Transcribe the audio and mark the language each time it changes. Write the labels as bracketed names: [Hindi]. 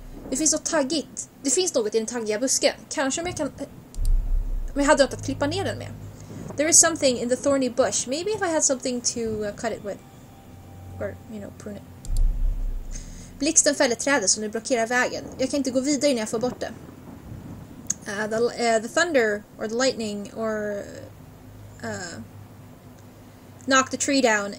[Swedish] Det finns något taggigt. Det finns något i den taggiga busken. Kanske om jag kan... Om jag hade något att klippa ner den med. [English] There is something in the thorny bush. Maybe if I had something to cut it with. Or, you know, prune it. [Swedish] Blixten fäller trädet som nu blockerar vägen. Jag kan inte gå vidare när jag får bort det. [English] The thunder or the lightning or knock the tree down.